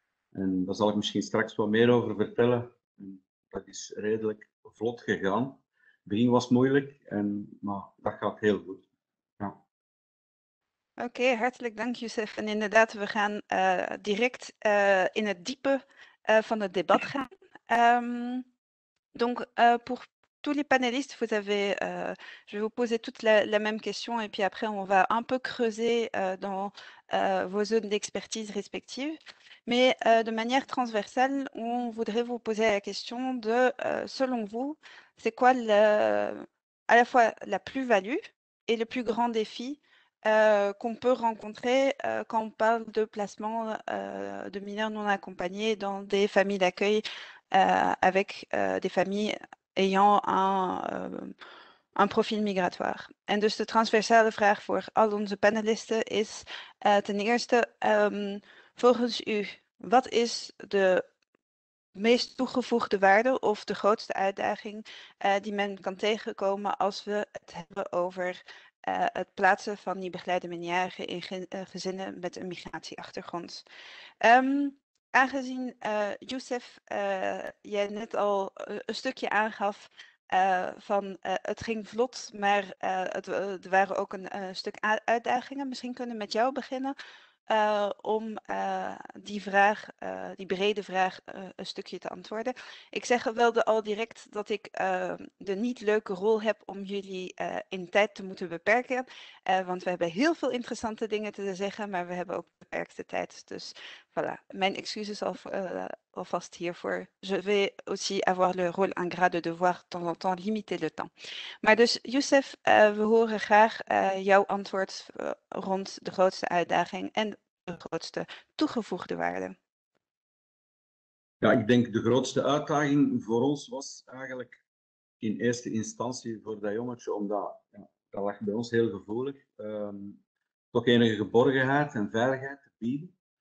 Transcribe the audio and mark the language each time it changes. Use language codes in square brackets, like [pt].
[nl] En daar zal ik misschien straks wat meer over vertellen. Dat is redelijk vlot gegaan. Het begin was moeilijk, maar dat gaat heel goed. Ja. Oké, hartelijk dank, Youssef. En inderdaad, we gaan direct in het diepe van het debat gaan. [fr] Pour tous les panélistes, vous avez, je vais vous poser toute la même question et puis après, on va un peu creuser dans vos zones d'expertise respectives. Mais de manière transversale, on voudrait vous poser la question de, selon vous, c'est quoi à la fois la plus-value et le plus grand défi qu'on peut rencontrer quand on parle de placement de mineurs non accompagnés dans des familles d'accueil avec des familles ayant un profil migratoire. [nl] En dus de transversale vraag voor al onze panelisten is ten eerste, volgens u, wat is de meest toegevoegde waarde of de grootste uitdaging die men kan tegenkomen als we het hebben over het plaatsen van die begeleide minderjarigen in gezinnen met een migratieachtergrond? Aangezien Youssef, jij net al een stukje aangaf van het ging vlot, maar er waren ook een stuk uitdagingen. Misschien kunnen we met jou beginnen om die vraag, die brede vraag, een stukje te antwoorden. Ik zeg wel al direct dat ik de niet leuke rol heb om jullie in tijd te moeten beperken. Want we hebben heel veel interessante dingen te zeggen, maar we hebben ook beperkte tijd. Dus voilà, mijn excuses alvast hiervoor. [fr] Je vais aussi avoir le rôle ingrat de devoir de temps en temps limiter le temps. [nl] Maar dus Youssef, we horen graag jouw antwoord rond de grootste uitdaging en de grootste toegevoegde waarde. Ja, ik denk de grootste uitdaging voor ons was eigenlijk in eerste instantie voor dat jongetje, omdat ja, dat lag bij ons heel gevoelig, toch enige geborgenheid en veiligheid te bieden.